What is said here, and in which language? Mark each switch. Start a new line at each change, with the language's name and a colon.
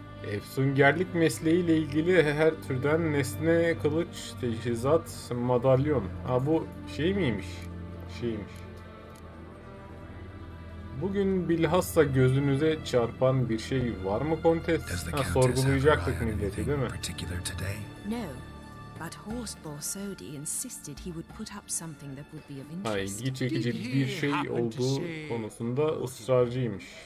Turkish: Efsungerlik mesleğiyle ilgili her türden nesne, kılıç, teçhizat, madalyon. Ha bu şey miymiş? Şeymiş. Bugün bilhassa gözünüze çarpan bir şey var mı kontes? Ha sorgulayacaktık milleti değil mi?
English: No. But Horst Borsodi insisted he would put up something that would be of interest.
Turkish: Ay, ilgi çekici bir şey olduğu konusunda ısrarcıymış.